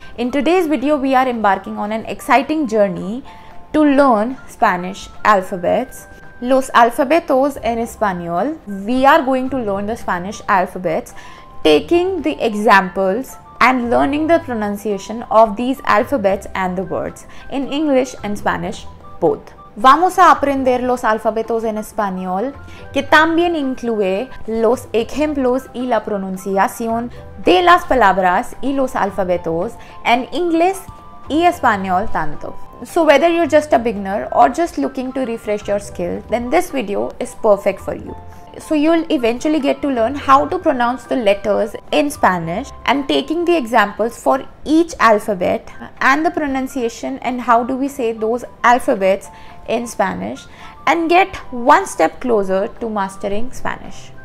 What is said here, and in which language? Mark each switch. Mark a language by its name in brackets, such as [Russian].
[English] In today's video, we are embarking on an exciting journey to learn Spanish alphabets. [Spanish] Los alfabetos en español. [English] We are going to learn the Spanish alphabets, taking the examples and learning the pronunciation of these alphabets and the words in English and Spanish both. [Spanish] Vamos a aprender los alfabetos en español, que también incluye los ejemplos y la pronunciación de las palabras y los alfabetos en inglés y español tanto. [English] So whether you're just a beginner or just looking to refresh your skill, then this video is perfect for you. So you'll eventually get to learn how to pronounce the letters in Spanish and taking the examples for each alphabet and the pronunciation and how do we say those alphabets in Spanish and get one step closer to mastering Spanish.